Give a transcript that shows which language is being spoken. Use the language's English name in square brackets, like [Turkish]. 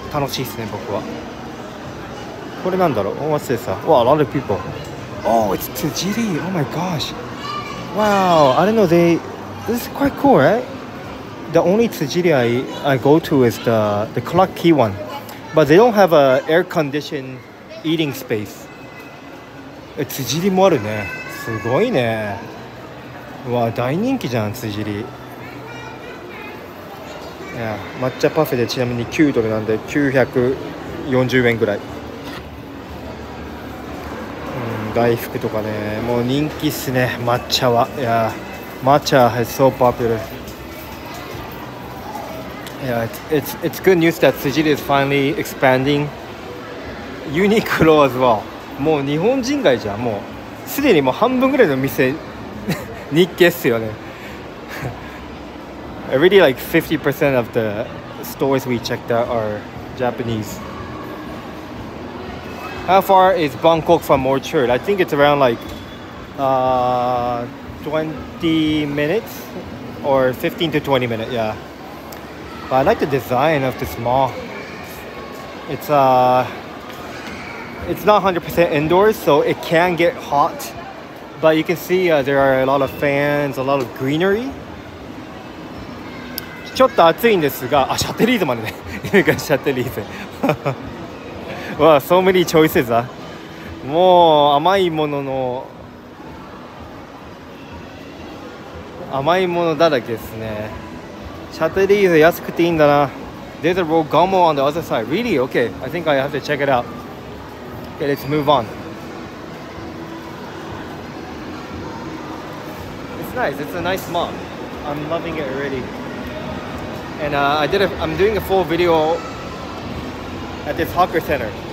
[Japanese] こういうちょっとなんかあんまり見ないお店が楽しいですね、僕は。これなんだろう? [English] What's this? Wow, a lot of people. Oh, it's tzatziki, oh my gosh. Wow, I don't know, this is quite cool, right? The only tzatziki I go to is the clock key one. But they don't have a air conditioned eating space. [Japanese] Tsujiri もあるね。すごいね。わ、大人気じゃん、Tsujiri。 Yeah, matcha puff でちなみに 9 ドルなんで 940円ぐらい。大福とかね、もう人気っすね、抹茶は。 [English] Yeah, matcha is so popular. Yeah, it's good news that Tsujiri is finally expanding. Uniqlo as well. [Japanese] もう日本人街じゃん、もうすでにもう半分ぐらいの店日系っすよね。 [English] Already like 50% of the stores we checked out are Japanese. How far is Bangkok from Orchard? I think it's around like 20 minutes or 15 to 20 minutes, yeah. But I like the design of this mall. It's not 100% indoors, so it can get hot. But you can see there are a lot of fans, a lot of greenery. [Japanese] ちょっと暑いんですが、あ、シャテリーズまでね。シャテリーズ。 [English] Wow, so many choices. [Japanese] もう甘いものだらけですね。シャテリーズ安くていいんだな。 [English] There's a Royal Gummo on the other side. Really? Okay, I think I have to check it out. Okay, let's move on. It's nice. It's a nice mall. I'm loving it already. And I'm doing a full video at this hawker center.